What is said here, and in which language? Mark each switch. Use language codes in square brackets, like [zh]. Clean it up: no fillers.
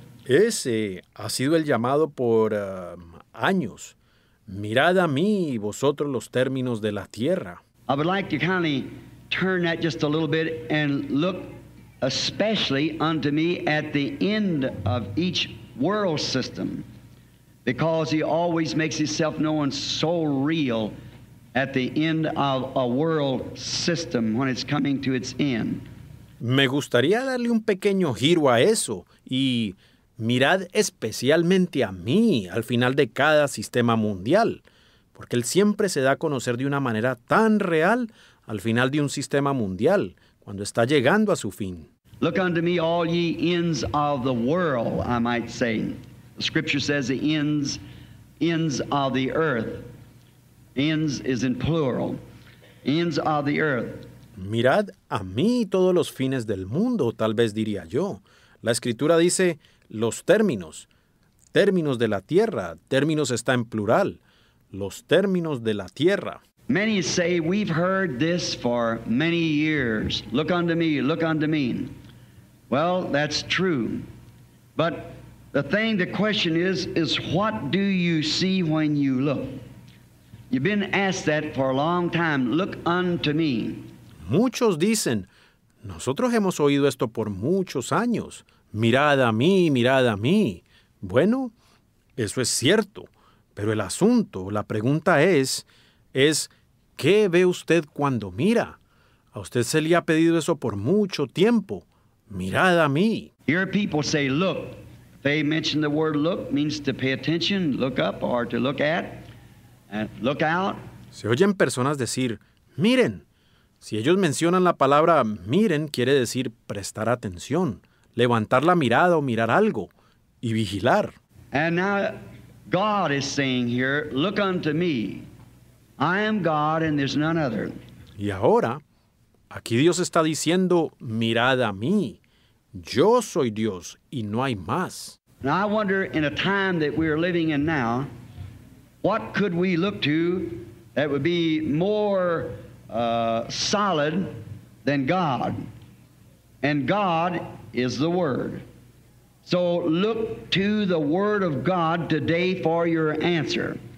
[es] Ese ha sido el llamado por años. Mirad a mí, vosotros los términos de la tierra. [en] I would like to kind of turn that just a little bit and look especially unto me at the end of each world system, because he always makes himself known so real at the end of a world system when it's coming to its end. [es] Me gustaría darle un pequeño giro a eso y mirad especialmente a mí al final de cada sistema mundial, porque él siempre se da a conocer de una manera tan real al final de un sistema mundial, cuando está llegando a su fin. [en] Look unto me, all ye ends of the world, I might say. The scripture says the ends of the earth. Ends is in plural. Ends of the earth. [es] Mirad a mí todos los fines del mundo, tal vez diría yo. La escritura dice los términos. Términos de la tierra. Términos está en plural. Los términos de la tierra. [en] Many say we've heard this for many years. Look unto me, look unto me. Well, that's true. But the thing, the question is what do you see when you look? You've been asked that for a long time. Look unto me. [es] Muchos dicen, nosotros hemos oído esto por muchos años. Mirad a mí, mirad a mí. Bueno, eso es cierto. Pero el asunto, la pregunta es, ¿qué ve usted cuando mira? A usted se le ha pedido eso por mucho tiempo. Mirad a mí. [en] Here people say, look. They mention the word look, means to pay attention, look up, or to look at, and look out. [es] Se oyen personas decir, miren. Si ellos mencionan la palabra miren, quiere decir prestar atención, levantar la mirada o mirar algo, y vigilar. [en] And now God is saying here, look unto me. I am God and there's none other. [es] Y ahora, aquí Dios está diciendo, mirad a mí. Yo soy Dios y no hay más. [en] Now I wonder in a time that we are living in now, what could we look to that would be more solid than God? And God is the Word. So look to the Word of God today for your answer.